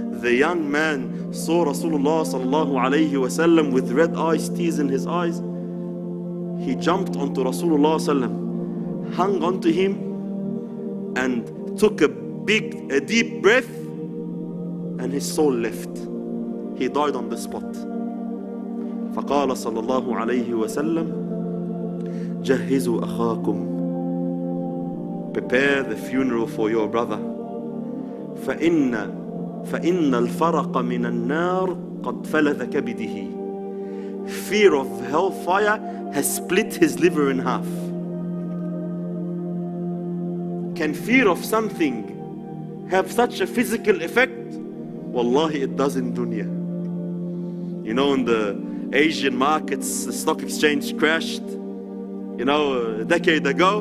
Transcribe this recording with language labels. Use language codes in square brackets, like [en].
[en] The young man saw Rasulullah sallallahu alayhi wa sallam with red eyes, tears in his eyes. He jumped onto Rasulullah sallallahu alayhi wa sallam, hung onto him and took a deep breath and his soul left. He died on the spot. [ar] فقال صلى الله عليه وسلم جهزوا أخاكم. [en] Prepare the funeral for your brother. [ar] فإن الفرق من النار قد فلذ كبده. [en] Fear of hellfire has split his liver in half. Can fear of something have such a physical effect? Wallahi, it does in dunya. You know, in the Asian markets, the stock exchange crashed, you know, a decade ago.